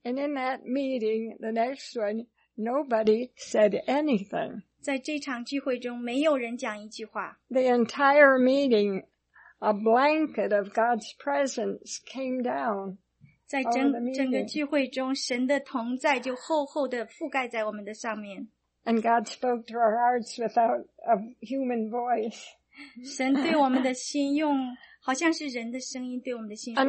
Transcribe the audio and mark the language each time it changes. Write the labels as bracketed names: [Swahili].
[English] And in that meeting, the next one, nobody said anything. [Chinese] 在这场聚会中，没有人讲一句话。 [English] The entire meeting, a blanket of God's presence came down. [Chinese] 在整个聚会中，神的同在就厚厚地覆盖在我们的上面。 [English] And God spoke to our hearts without a human voice. [Chinese] 神对我们的心用 好像是人的声音对我们的心说话。